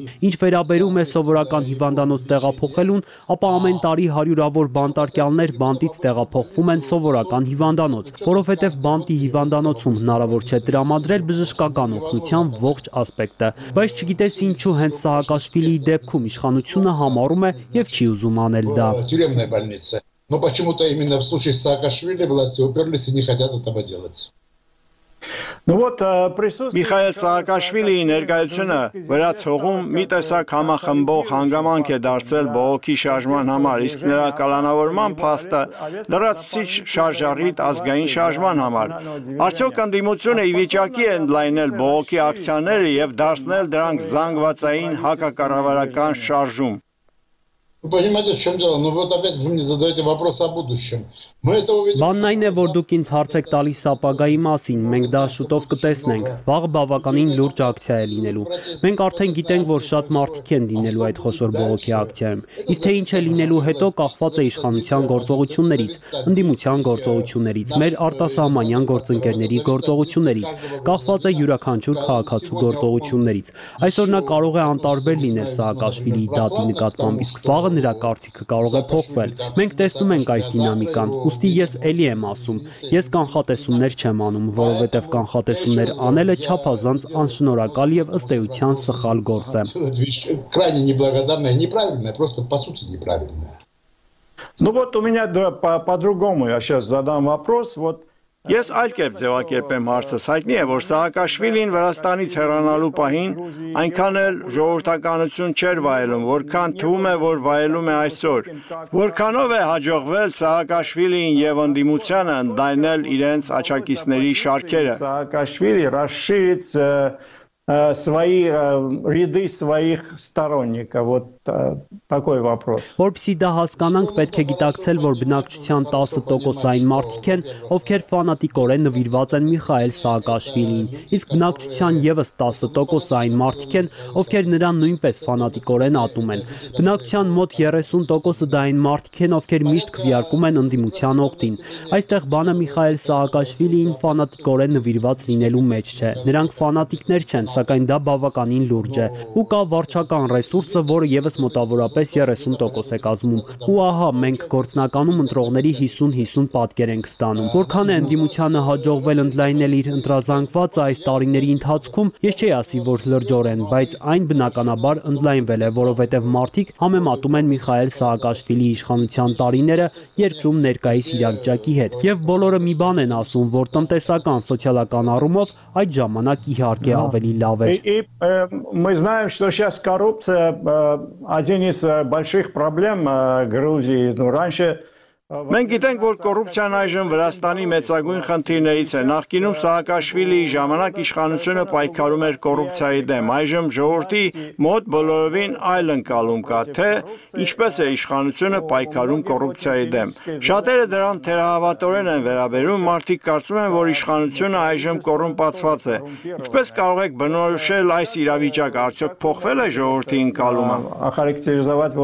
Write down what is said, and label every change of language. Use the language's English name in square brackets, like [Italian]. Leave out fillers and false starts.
[Armenian] Ինչ վերաբերում է սովորական հիվանդանոց տեղափոխելուն, ապա ամեն տարի հարյուրավոր բանտարկյալներ բանտից տեղափոխվում են սովորական հիվանդանոց, որովհետև բանտի հիվանդանոցում հնարավոր չէ տրամադրել բժշկական օգնության ողջ ասպեկտը։ Բայց չգիտես ինչու հենց Սաակաշվիլիի դեպքում իշխանությունը համարում է և չի ուզում անել [Russian] Да. Тюремная больница. Но почему-то именно в случае с Саакашвили власти уперлись и не хотят этого делать. [Armenian] Միխայել Սաակաշվիլիի ներկայությունը վերացողում մի տեսակ համախմբող հանգամանք է դարձել բողոքի շարժման համար, իսկ նրա կալանավորման փաստը լրացուցիչ շարժառիթ ազգային շարժման համար։ Արդյոք ընդդիմությունը ի վիճակի է ընդլայնել բողոքի ակցիաները եւ դարձնել դրանք զանգվածային հակակառավարական շարժում։ [Russian] Вы понимаете, в чем дело? Ну вот опять вы мне задаете вопрос о будущем. [Armenian] Բանն այն է, որ դուք ինձ հարց եք տալիս ապագայի մասին, մենք դա շուտով կտեսնենք։ Վաղ բավականին լուրջ ակցիա է լինելու։ Մենք արդեն գիտենք, որ շատ մարդիկ են լինելու այդ խոշոր բողոքի ակցիայում։ Իսկ թե ինչ է լինելու հետո, կախված է իշխանության գործողություններից, ընդդիմության գործողություններից, մեր արտասահմանյան գործընկերների գործողություններից, կախված է յուրաքանչյուր քաղաքացու գործողություններից։ Այսօր նա կարող է անտարբեր լինել Սաակաշվիլիի դատի նկատմամբ, իսկ վաղը նրա կարծիքը կարող է փոխվել։ Մենք տեսնում ենք այս դինամիկան։ Ուստի ես էլի եմ ասում, ես կանխատեսումներ չեմ անում, որովհետև կանխատեսումներ անելը չափազանց անշնորհակալ եւ ըստ էության սխալ գործ է։ [Russian] Крайне неблагодарное, неправильное, просто по сути неправильное. Ну вот у меня по-другому я сейчас задам вопрос, вот [Armenian] Ես այլ կերպ ձևակերպեմ հարցս, հայտնի է, որ Սաակաշվիլին Վրաստանից հեռանալու պահին այնքան էլ ժողովրդականություն չէր վայելում, որքան թվում է, որ վայելում է այսօր։ Որքանով է հաջողվել Սաակաշվիլին եւ ընդդիմությանը ընդդայնել իրենց աչակիցների շարքերը։ [Russian] Սաակաշվիլի расширить свои ряды своих сторонников. Вот такой вопрос. [Armenian] Որպեսզի դա հասկանանք, պետք է գիտակցել, որ բնակչության 10% այն մարդիկ են, ովքեր ֆանատիկորեն նվիրված են Միխայել Սաակաշվիլին, իսկ բնակչության եւս 10% այն մարդիկ են, ովքեր նրան նույնպես ֆանատիկորեն ատում են։ Բնակչության մոտ 30% դա այն մարդիկ են, ովքեր միշտ քվիարկում են ընդդիմության օգտին։ Այստեղ բանը Միխայել Սաակաշվիլին ֆանատիկորեն նվիրված լինելու մեջ չէ։ Նրանք ֆանատիկներ չեն, սակայն դա բավականին լուրջ է ու կա վարչական ռեսուրսը, որը ևս մոտավորապես 30% է կազմում։ Ու ահա, մենք գործնականում ընտրողների 50-50 պատկեր ենք ստանում։ Որքան է ընդդիմությանը հաջողվել ընդլայնել իր ընտրազանգվածը այս տարիների ընթացքում, ես չի ասի, որ լրջորեն, բայց այն բնականաբար ընդլայնվել է, որովհետև մարդիկ համեմատում են Միխայել Սահակաշվիլի իշխանության տարիները երկրում ներկայիս իրավիճակի հետ, և բոլորը մի բան են ասում, որ տնտեսական, սոցիալական առումով այդ ժամանակ իհարկե ավելի լավ էր։ [Russian] И мы знаем, что сейчас коррупция один из больших проблем Грузии, но раньше [Armenian] Մենք գիտենք, որ կոռուպցիան այժմ Վրաստանի մեծագույն խնդիրներից է։ Նախկինում Սահակաշվիլիի ժամանակ իշխանությունը պայքարում էր կոռուպցիայի դեմ։ Այժմ ժողովրդի մոտ բոլորովին այլ ընկալում կա, թե ինչպես է իշխանությունը պայքարում կոռուպցիայի դեմ։ Շատերը դրան թերահավատորեն են վերաբերում, մարդիկ կարծում են, որ իշխանությունը այժմ կոռումպացված է։ Ինչպես կարող եք բնորոշել այս իրավիճակը, արդյոք փոխվել է ժողովրդի ընկալումը։